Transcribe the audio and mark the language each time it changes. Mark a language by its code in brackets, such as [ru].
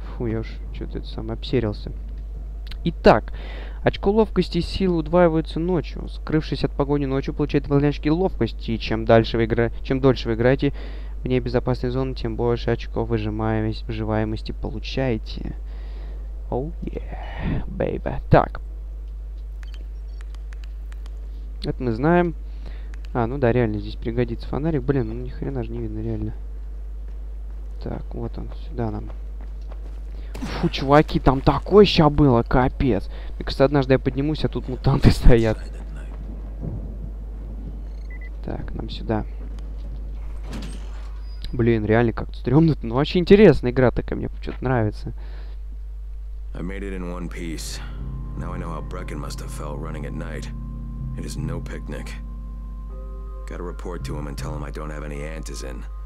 [ru] Фу, я уж что-то это самое обсерился. Итак, очко ловкости и силы удваиваются ночью. Скрывшись от погони ночью, получает дополнительные очки ловкости. И чем дальше вы играете, чем дольше вы играете в небезопасной зоне, тем больше очков выживаемости получаете. [en] Оу, yeah, baby. [ru] Так. Это мы знаем. А, ну да, реально здесь пригодится фонарик. Блин, ну ни хрена же не видно, реально. Так, вот он, сюда нам. Фу, чуваки, там такое ща было, капец. Мне кажется, однажды я поднимусь, а тут мутанты стоят. Так, нам сюда. Блин, реально как-то стрёмно. Ну, вообще интересная игра такая, мне что-то нравится. [en] I made it in one piece. Now I know how Brecken must have felt running at night. It is no picnic. Gotta report to him and tell him I don't have any antizin.